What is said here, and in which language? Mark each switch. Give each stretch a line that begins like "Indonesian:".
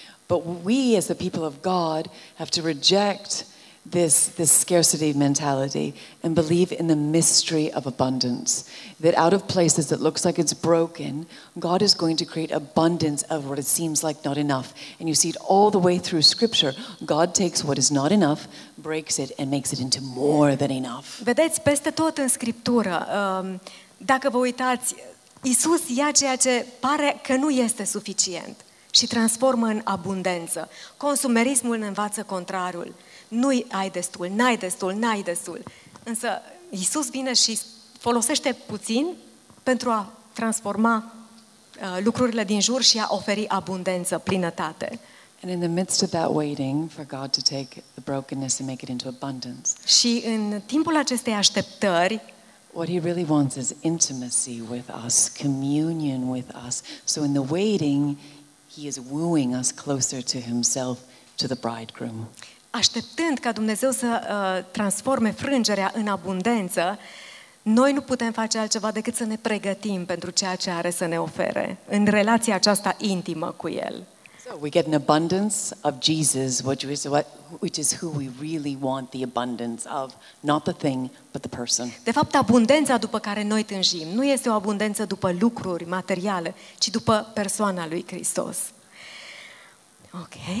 English: But we, as the people of God, have to reject this scarcity mentality and believe in the mystery of abundance. That out of places that looks like it's broken, God is going to create abundance of what it seems like not enough. And you see it all the way through Scripture. God takes what is not enough, breaks it, and makes it into more than enough.
Romanian: Vedeți, peste tot în Scriptură, dacă vă uitați, Iisus ia ceea ce pare că nu este suficient și transformă în abundență. Consumerismul ne învață contrariul. Nu-i ai destul, n-ai destul, n-ai destul. Însă Iisus vine și folosește puțin pentru a transforma lucrurile din jur și a oferi abundență, plinătate.
English: And in the midst of that waiting for God to take the brokenness and make it into abundance.
Romanian: Și în timpul acestei așteptări,
English: what he really wants is intimacy with us, communion with us. So in the waiting, he is wooing us closer to himself, to the bridegroom.
Romanian: Așteptând ca Dumnezeu să transforme frângerea în abundență, noi nu putem face altceva decât să ne pregătim pentru ceea ce are să ne ofere, în relația aceasta intimă cu El.
English: So we get an abundance of Jesus, which is who we really want the abundance of, not the thing, but the person.
Romanian: De fapt, abundența după care noi tânjim nu este o abundență după lucruri materiale, ci după persoana lui Hristos. Ok.